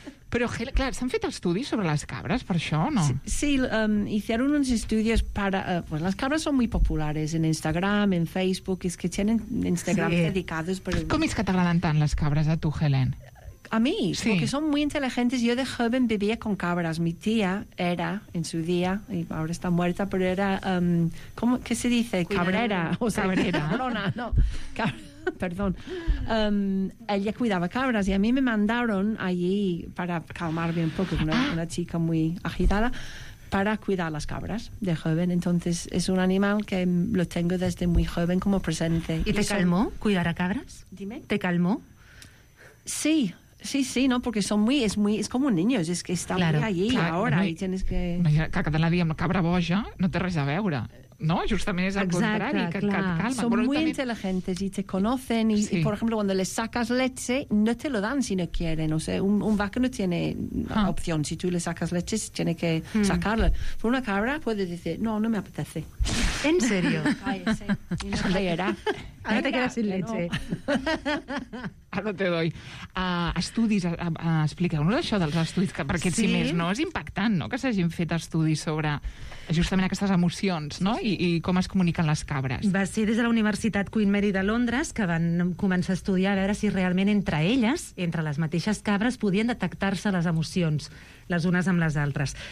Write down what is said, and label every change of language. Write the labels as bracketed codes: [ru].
[ca] Però, clar, s'han fet estudis sobre les cabres, per això, no? [es] Sí, hicieron uns estudis para... Pues las cabres son muy populares en Instagram, en Facebook, es que tienen Instagram dedicados... [ca] Com és que t'agraden tant les cabres a tu, Helen? [es] A mí, sí. Porque son muy inteligentes. Yo de joven vivía con cabras. Mi tía era, en su día, y ahora está muerta, pero era... ¿qué se dice? Cabrera. O sea, cabrera. Cabrona, no. Perdón. Ella cuidaba cabras y a mí me mandaron allí para calmarme un poco, ¿no? Una chica muy agitada, para cuidar las cabras de joven. Entonces, es un animal que lo tengo desde muy joven como presente. ¿Y te calmó cuidar a cabras? Dime. ¿Te calmó? Sí. Sí, sí, ¿no? Porque son muy... Es como niños, es que están claro, allí clar, ahora no, i tienes que... [ca] Que cada dia amb la cabra boja no té res a veure. No, justament és el contrari. Calma. [es] Son bueno, muy también... inteligentes y te conocen. Y, sí. Y, por ejemplo, cuando le sacas leche, no te lo dan si no quieren. O sea, un vaca no tiene opción. Si tú le sacas leche, tiene que sacarla. Por una cabra puede decir, no, no me apetece. ¿En serio? Cállese. Y no leerá. Ahora venga, te quedas sin leche. No. Ahora te doy. [ca] Estudis, expliqueu-nos això dels estudis, que perquè, sí. Si més no, és impactant, no?, que s'hagin fet estudis sobre... justament aquestes emocions, no?, i com es comuniquen les cabres. Va ser des de la Universitat Queen Mary de Londres que van començar a estudiar a veure si realment entre elles, entre les mateixes cabres, podien detectar-se les emocions les unes amb les altres.